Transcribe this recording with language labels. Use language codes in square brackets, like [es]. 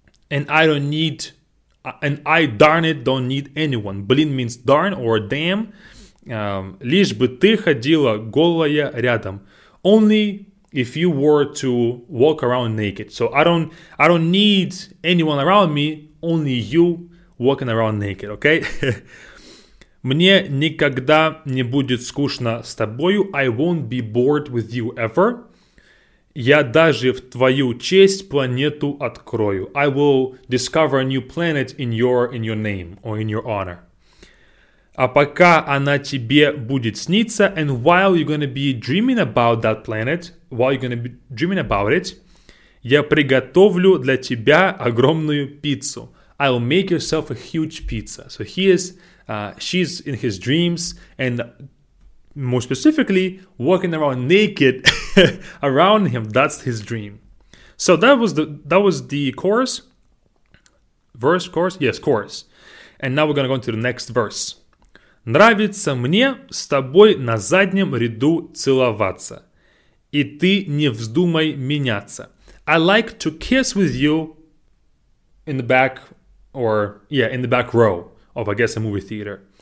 [en] And I don't need, and I darn it don't need anyone. Блин means darn or damn. [ru] Лишь бы ты ходила голая рядом. [en] Only if you were to walk around naked. So I don't need anyone around me, only you walking around naked, okay? [ru] Мне никогда не будет скучно с тобою. [en] I won't be bored with you ever. [ru] Я даже в твою честь планету открою. [en] I will discover a new planet in your name or in your honor. [ru] А пока она тебе будет сниться, [en] and while you're gonna be dreaming about that planet, while you're gonna be dreaming about it, [ru] я приготовлю для тебя огромную пиццу. [en] I'll make yourself a huge pizza. So he is, she's in his dreams, and more specifically, walking around naked around him. That's his dream. So that was the chorus, verse, chorus. Yes, chorus. And now we're gonna go into the next verse. [ru] Нравится мне с тобой на заднем ряду целоваться. И ты не вздумай меняться. [en] I like to kiss with you in the back row of, I guess, a movie theater.